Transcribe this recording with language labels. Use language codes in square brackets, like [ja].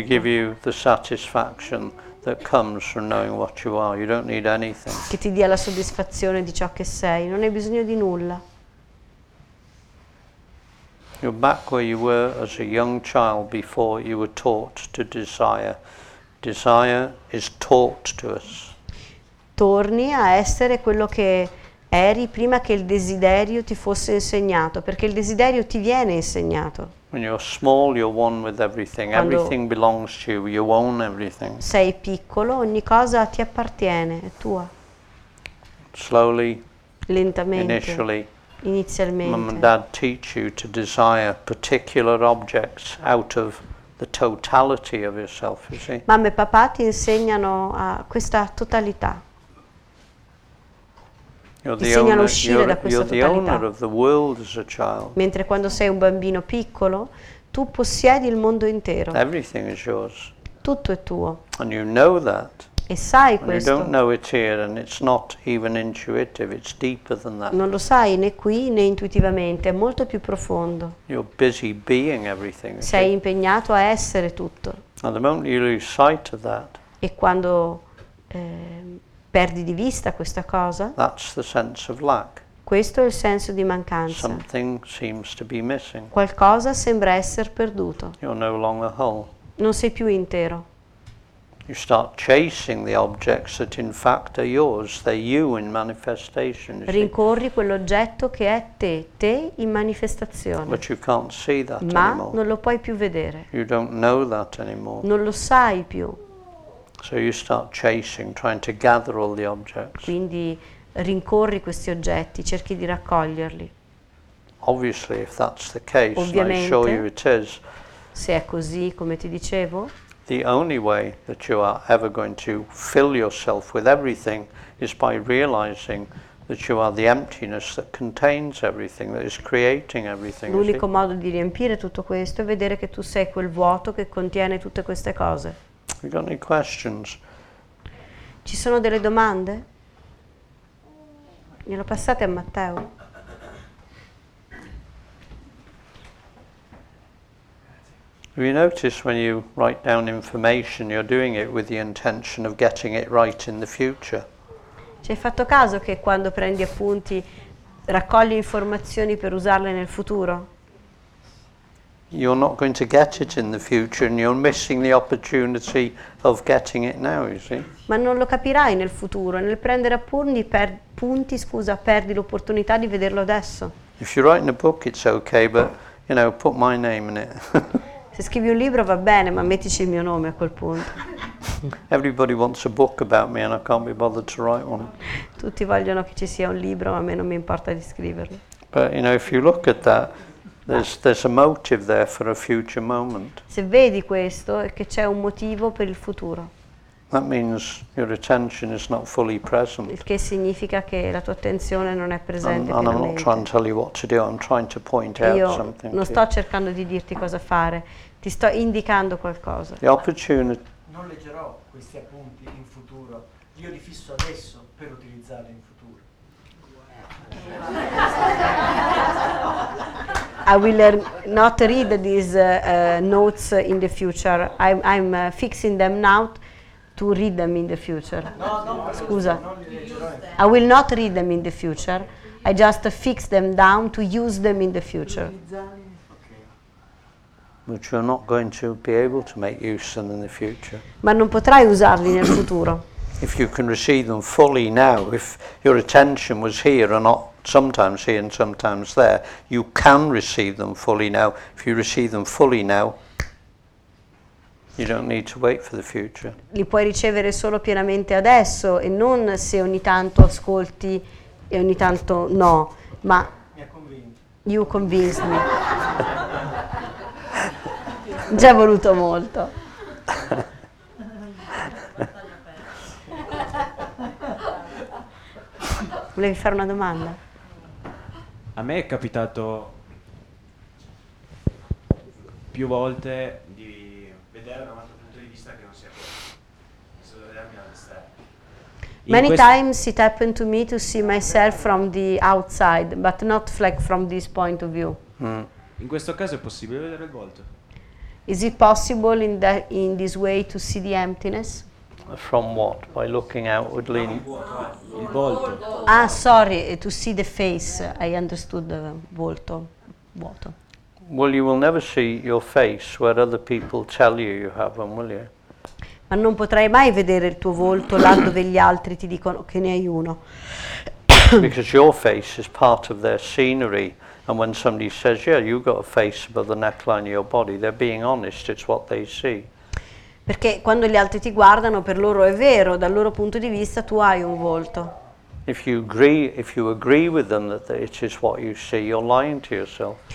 [en] To give you the satisfaction that comes from knowing what you are. You don't need anything. [it] Che ti dia la soddisfazione di ciò che sei. Non hai bisogno di nulla. [en] You're back where you were as a young child before you were taught to desire. Desire is taught to us. [it] Torni a essere quello che eri prima che il desiderio ti fosse insegnato, perché il desiderio ti viene insegnato. [en] When you're small, you're one with everything. [it] Quando [en] everything belongs to you, you own everything. [it] Sei piccolo, ogni cosa ti appartiene, è tua. [en] Slowly, [it] lentamente, inizialmente, [en] mom and dad teach you to desire particular objects out of the totality of yourself, you see. [it] Mamma e papà ti insegnano a questa totalità. [en] You're the owner of the world as a child. [it] Mentre quando sei un bambino piccolo, tu possiedi il mondo intero. [en] Everything is yours. [it] tutto è tuo. [en] And you know that. [it] E sai questo. [en] You don't know it's here and it's not even intuitive, it's deeper than that. [it] Non lo sai né qui né intuitivamente, è molto più profondo. [en] You're busy being everything. [it] Sei impegnato a essere tutto. [en] And the moment you lose sight of that. [it] E quando perdi di vista questa cosa? [en] That's the sense of lack. [it] Questo è il senso di mancanza. [en] Something seems to be missing. [it] Qualcosa sembra essere perduto. [en] You're no longer whole. [it] Non sei più intero. [en] You start chasing the objects that in fact are yours. They're you in manifestation. [it] Rincorri quell'oggetto che è te, te in manifestazione. [en] But you can't see that [it] Ma [en] anymore. [it] Non lo puoi più vedere. [en] You don't know that anymore. [it] Non lo sai più. [en] So you start chasing, trying to gather all the objects. [it] Quindi rincorri questi oggetti, cerchi di raccoglierli. [en] Obviously, if that's the case, [it] Ovviamente, [en] I assure you it is. [it] Se è così, come ti dicevo, [en] the only way that you are ever going to fill yourself with everything is by realizing that you are the emptiness that contains everything, that is creating everything. [it] L'unico modo di riempire tutto questo è vedere che tu sei quel vuoto che contiene tutte queste cose. [en] You got any questions? [it] Ci sono delle domande? Glielo passate a Matteo. [en] Have you noticed when you write down information you're doing it with the intention of getting it right in the future? [it] Ci hai fatto caso che quando prendi appunti raccogli informazioni per usarle nel futuro? [en] You're not going to get it in the future and you're missing the opportunity of getting it now, you see? [it] Ma non lo capirai nel futuro, nel prendere appunti perdi l'opportunità di vederlo adesso. [en] If you write in a book it's okay, but you know, put my name in it. [it] Se scrivi un libro va bene, ma mettici il mio nome a quel punto. [en] Everybody wants a book about me and I can't be bothered to write one. [it] Tutti vogliono che ci sia un libro, ma a me non mi importa di scriverlo. [en] But you know, if you look at that, There's a motive there for a future moment. [it] Se vedi questo, è che c'è un motivo per il futuro. [en] That means your attention is not fully present. [it] Il che significa che la tua attenzione non è presente pienamente. [en] And I'm not trying to tell you what to do, I'm trying to point out something. [it] Io non sto cercando di dirti cosa fare, ti sto indicando qualcosa. [en] The opportunity. [it] Non leggerò questi appunti in futuro, io li fisso adesso per utilizzarli in futuro. [en] I will not read these notes in the future. I'm fixing them now to read them in the future. [it] No, scusa. [en] I will not read them in the future. I just fix them down to use them in the future. But you're not going to be able to make use of them in the future. [it] Ma non potrai usarli nel futuro. [en] If you can receive them fully now, if your attention was here and not sometimes here and sometimes there, you can receive them fully now. If you receive them fully now, you don't need to wait for the future. [it] Li puoi ricevere solo pienamente adesso e non se ogni tanto ascolti e ogni tanto no. Ma mi ha convinto. [en] You convinced me. [it] Già voluto molto. Volevi fare una domanda? A me è capitato più volte di vedere da un altro punto di vista che non sia così. Di vedermi all'esterno. [en] Many times it happened to me to see myself from the outside, but not like from this point of view. [it] In questo caso è possibile vedere il volto? [en] Is it possible in this way to see the emptiness? From what? By looking outwardly? [it] Il volto. [en] Ah, sorry, to see the face. I understood the volto. Vuoto. Well, you will never see your face where other people tell you you have one, will you? [it] Ma non potrai mai vedere il tuo volto là dove gli altri ti dicono che ne hai uno. [en] Because your face is part of their scenery. And when somebody says, yeah, you've got a face above the neckline of your body, they're being honest, it's what they see. [it] Perché quando gli altri ti guardano, per loro è vero, dal loro punto di vista tu hai un volto. [en] If you agree with them that it is what you see, you're lying to yourself.